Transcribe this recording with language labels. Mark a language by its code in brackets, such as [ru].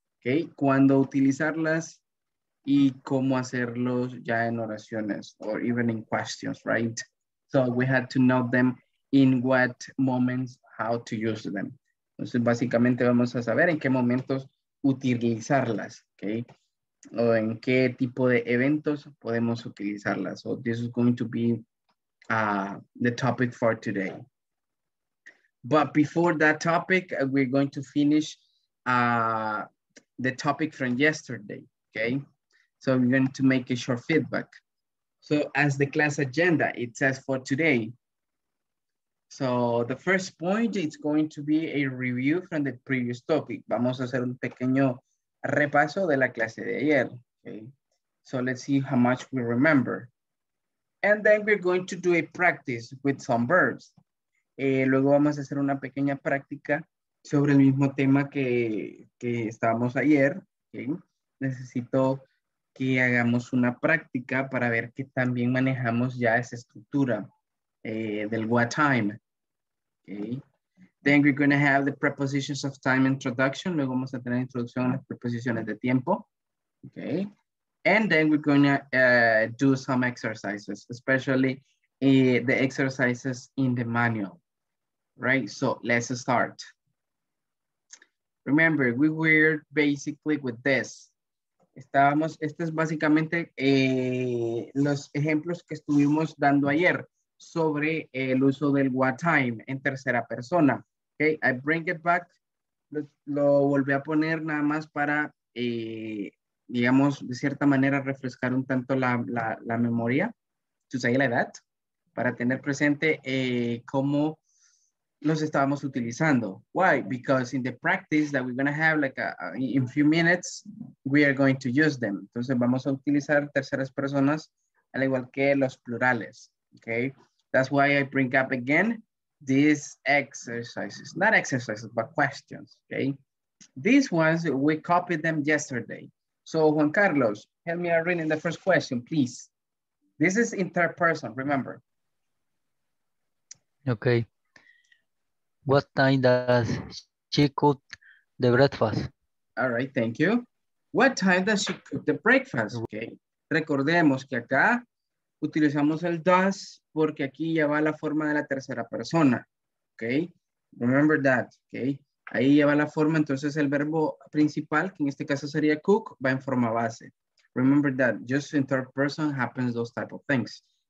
[es] Okay, cuándo utilizarlas y cómo hacerlos ya en oraciones [en] or even in questions, right? So we had to note them in what moments how to use them. [es] Entonces, básicamente vamos a saber en qué momentos utilizarlas, okay? O en qué tipo de eventos podemos utilizarlas. [en] So this is going to be the topic for today. But before that topic, we're going to finish the topic from yesterday, okay? So we're going to make a short feedback. So as the class agenda, it says for today. So the first point is going to be a review from the previous topic. [es] Vamos a hacer un pequeño repaso de la clase de ayer, okay? [en] So let's see how much we remember. And then we're going to do a practice with some verbs. [es] Luego vamos a hacer una pequeña práctica sobre el mismo tema que estábamos ayer, okay? Necesito que hagamos una práctica para ver que también manejamos ya esa estructura del what time, okay? [en] Then we're going to have the prepositions of time introduction. [es] Luego vamos a tener introducción a las preposiciones de tiempo, okay? [en] And then we're going to do some exercises, especially the exercises in the manual. Right, so let's start. Remember, we were basically with this. [es] Estábamos, este es básicamente los ejemplos que estuvimos dando ayer sobre el uso del what time en tercera persona. [en] Okay, I bring it back. [es] Lo volví a poner nada más para, digamos, de cierta manera refrescar un tanto la memoria. [en] To say like that. [es] Para tener presente cómo los estábamos utilizando. [en] Why? Because in the practice that we're going to have like in a few minutes, we are going to use them. [es] Entonces vamos a utilizar terceras personas al igual que los plurales. [en] Okay. That's why I bring up again these exercises. Not exercises, but questions. Okay. These ones, we copied them yesterday. So Juan Carlos, help me out reading the first question, please. This is in third person, remember. Okay. What time does she cook the breakfast? All right, thank you. What time does she cook the breakfast? Okay. [es] Recordemos que acá utilizamos el does porque aquí ya va la forma de la tercera persona. Okay. [en] Remember that. [es] Okay. Ahí ya va la forma, entonces el verbo principal, que en este caso sería cook, va en forma base. [en] Remember that. Just in third person happens those type of things.